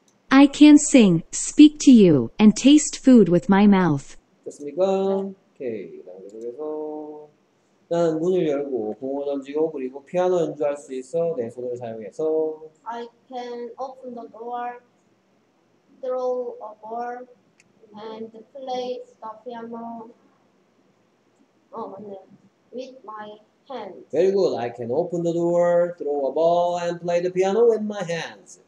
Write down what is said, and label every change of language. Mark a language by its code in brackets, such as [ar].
[en] I can sing, speak to you, and taste food with my mouth. [ko] 됐습니까? 오케이. 그래서 나는 문을 열고 공을 던지고 그리고 피아노 연주할 수 있어. 내 손을 사용해서. [en] I can open the door, throw a ball, and play the piano. [ko] 맞네. [en] With my hands. Very good. I can open the door, throw a ball, and play the piano with my hands.